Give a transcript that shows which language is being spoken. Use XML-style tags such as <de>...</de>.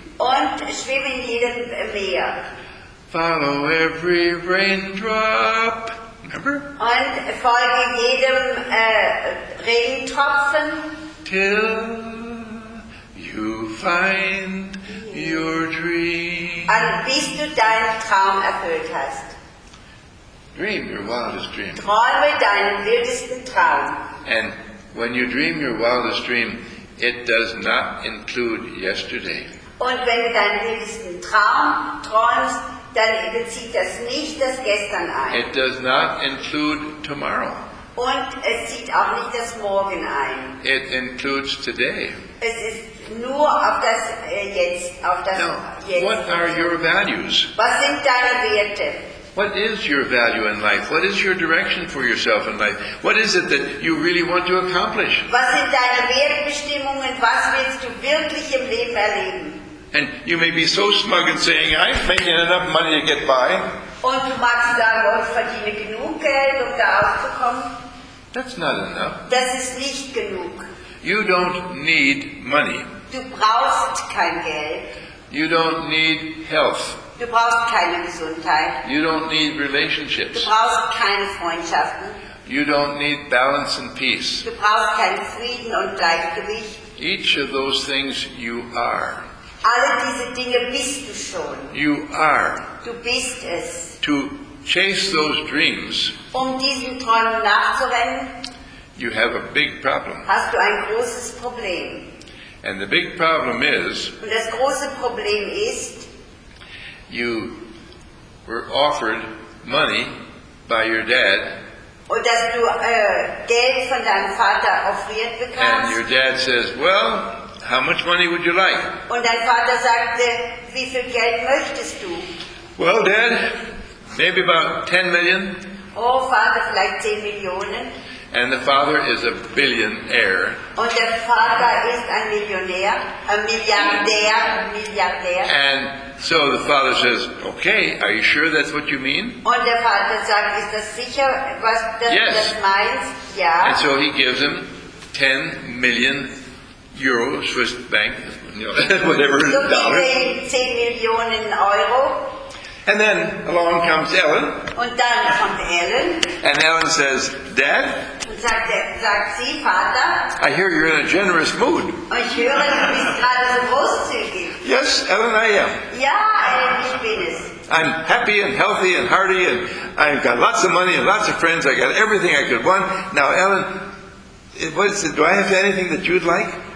<de>Und schwimm in jedem Meer.</de> <en>Follow every raindrop. Remember?</en> <de>Und folge jedem Regentropfen.</de> <en>Till you find your dream.</en> <de>Und bis du deinen Traum erfüllt hast.</de> <en>Dream your wildest dream.</en> <de>Träume deinen wildesten Traum.</de> <en>And when you dream your wildest dream, it does not include yesterday.</en> <de>Und wenn du deinen wildesten Traum träumst, dann bezieht das nicht das Gestern ein.</de> <en>It does not include tomorrow.</en> <de>Und es zieht auch nicht das Morgen ein.</de> <en>It includes today.</en> <de>Es ist nur auf das Jetzt. Auf das</de> <en>Now,</en> <de>Jetzt.</de> <en>What are your values?</en> <de>Was sind deine Werte?</de> <en>What is your value in life? What is your direction for yourself in life? What is it that you really want to accomplish?</en> <de>Was sind deine Wertbestimmungen? Was willst du wirklich im Leben erleben?</de> <en>And you may be so smug in saying, I'm making enough money to get by.</en> <de>Und du magst sagen, oh, ich verdiene genug Geld, um da auszukommen.</de> <en>That's not enough.</en> <de>Das ist nicht genug.</de> <en>You don't need money.</en> <de>Du brauchst kein Geld.</de> <en>You don't need health.</en> <de>Du brauchst keine Gesundheit.</de> <en>You don't need relationships.</en> <de>Du brauchst keine Freundschaften.</de> <en>You don't need balance and peace.</en> <de>Du brauchst keinen Frieden und Gleichgewicht.</de> <en>Each of those things you are.</en> <de>Alle diese Dinge bist du schon.</de> <en>You are.</en> <de>Du bist es.</de> <en>To chase those dreams.</en> <de>Um diesen Träumen nachzurennen.</de> <en>You have a big problem.</en> <de>Hast du ein großes Problem.</de> <en>And the big problem is.</en> <de>Und das große Problem ist.</de> <en>You were offered money by your dad.</en> <de>Und dass du Geld von deinem Vater offeriert bekommst.</de> <en>And your dad says, well. How much money would you like?</en> <de>Und dein Vater sagte, wie viel Geld möchtest du?</de> <en>Well, Dad, maybe about 10 million.</en> <de>Oh, Vater, vielleicht 10 Millionen.</de> <en>And the father is a billionaire.</en> <de>Und der Vater ist ein Millionär, ein Milliardär, Milliardär.</de> <en>And so the father says, okay, are you sure that's what you mean?</en> <de>Und der Vater sagt, ist das sicher, was das,</de> <en>yes.</en> <de>Das meinst? Ja.</de> <en>And so he gives him 10 million Euro, Swiss bank, you know, whatever, so dollars.</en> <de>10 Millionen Euro.</de> <en>And then along comes Ellen.</en> <de>Und dann kommt Ellen.</de> <en>And Ellen says, Dad,</en> <de>und sagt sie, Vater,</de> <en>I hear you're in a generous mood.</en> <de>Ich höre, du bist gerade so großzügig.</de> <en>Yes, Ellen, I am.</en> <de>Ja, Ellen, ich bin es.</de> <en>I'm happy and healthy and hearty and I've got lots of money and lots of friends. I got everything I could want. Now, Ellen, do I have anything that you'd like?</en>